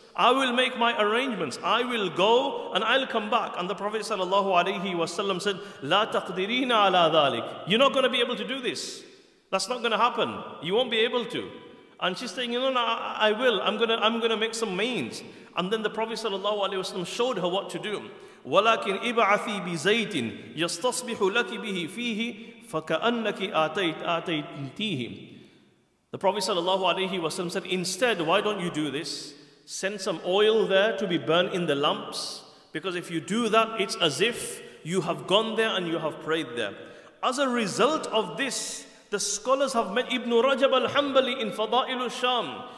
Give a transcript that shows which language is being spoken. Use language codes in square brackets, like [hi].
[en] I will go and I'll come back. And the Prophet sallallahu alayhi wasallam said, [ar] "La taqdirina ala dhalik." [en] You're not going to be able to do this. That's not going to happen. You won't be able to. And she's saying, "You know, I will. I'm going to make some means." And then the Prophet sallallahu alayhi wasallam showed her what to do. [ar] ولكن ابعثي بزيت يستصبح لك به فيه فكأنك آتيتيه. [en] The Prophet sallallahu alayhi wasallam said, instead, why don't you do this? Send some oil there to be burned in the lamps, because if you do that, it's as if you have gone there and you have prayed there. As a result of this, the scholars have met Ibn Rajab al-Hanbali in Fada'il al-Sham.